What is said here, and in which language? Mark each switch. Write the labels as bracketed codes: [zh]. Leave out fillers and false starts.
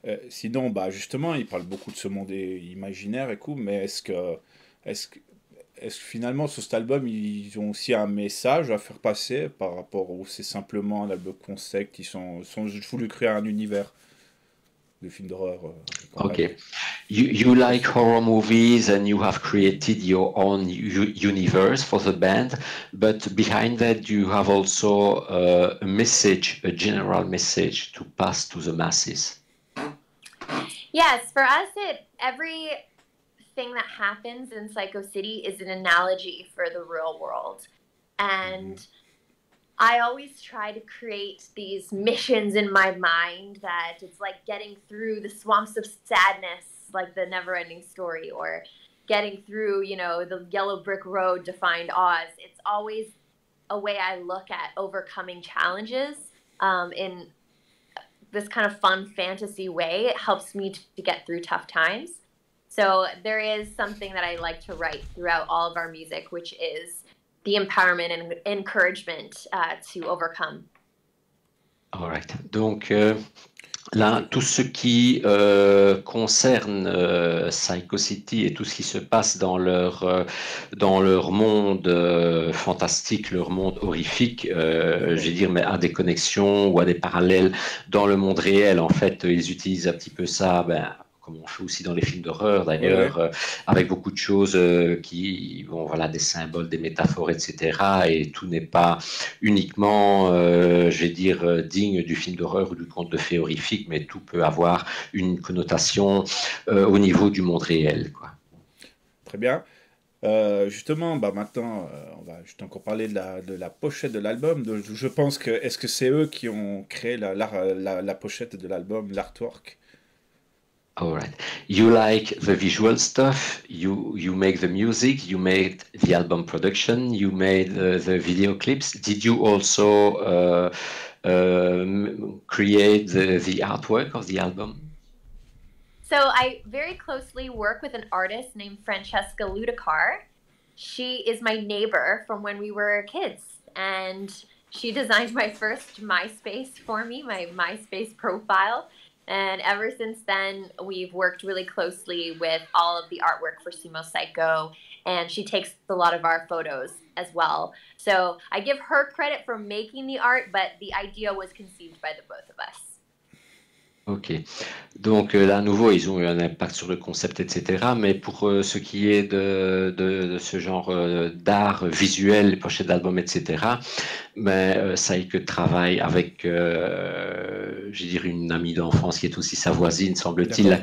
[fr] Sinon, bah justement, il parle beaucoup de ce monde imaginaire et cool, mais est-ce que finalement, sur cet album, ils ont aussi un message à faire passer par rapport au c'est simplement un album concept, ils sont juste voulu créer un univers de films d'horreur quand Ok. même. [en] You like horror movies and you have created your own universe for the band, but behind that you have also a message, a general message to pass to the masses. Yes, for us, everything that happens in Psycho City is an analogy for the real world. And I always try to create these missions in my mind that it's like getting through the swamps of sadness, like the never-ending story, or getting through, the yellow brick road to find Oz. It's always a way I look at overcoming challenges, in this kind of fun fantasy way. It helps me to get through tough times. So there is something that I like to write throughout all of our music, which is the empowerment and encouragement to overcome. All right. [fr] Donc là, Très tout cool. ce qui concerne Psycho City et tout ce qui se passe dans leur monde fantastique, leur monde horrifique, je veux dire, mais à des connexions ou à des parallèles dans le monde réel. En fait, ils utilisent un petit peu ça. Ben, comme on fait aussi dans les films d'horreur d'ailleurs, avec beaucoup de choses qui vont, voilà, des symboles, des métaphores, etc. Et tout n'est pas uniquement, je vais dire, digne du film d'horreur ou du conte de fées horrifique, mais tout peut avoir une connotation au niveau du monde réel, quoi. Très bien. Justement, bah maintenant, on va juste encore parler de la pochette de l'album. Je pense que, est-ce que c'est eux qui ont créé la pochette de l'album, l'artwork? [en] All right. You like the visual stuff, you make the music, you made the album production, you made the video clips. Did you also create the artwork of the album? So I very closely work with an artist named Francesca Ludicar. She is my neighbor from when we were kids, and she designed my first MySpace for me, my MySpace profile. And ever since then, we've worked really closely with all of the artwork for Sumo Cyco, and she takes a lot of our photos as well. So I give her credit for making the art, but the idea was conceived by the both of us. [fr] Ok, donc là à nouveau ils ont eu un impact sur le concept, etc. Mais pour ce qui est de ce genre d'art visuel, les pochettes d'albums, etc., mais Saïk travaille avec, je dirais, une amie d'enfance qui est aussi sa voisine, semble-t-il,